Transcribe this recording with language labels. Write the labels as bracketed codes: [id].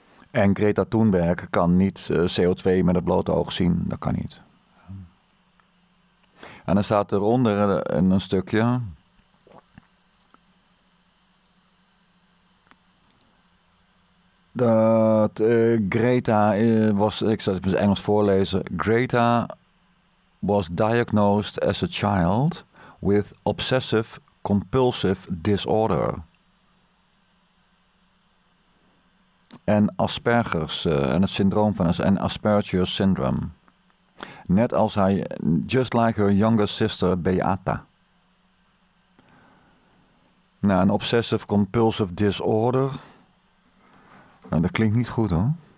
[nl] En Greta Thunberg kan niet CO2 met het blote oog zien. Dat kan niet. En dan staat eronder in een stukje. Dat Greta was, ik zal het in Engels voorlezen. [en] Greta was diagnosed as a child with obsessive compulsive disorder. [nl] En Asperger's, en het syndroom van en Asperger's syndrome. Net als hij, [en] just like her younger sister Beata. [nl] Nou, een obsessive compulsive disorder. Nou, dat klinkt niet goed hoor.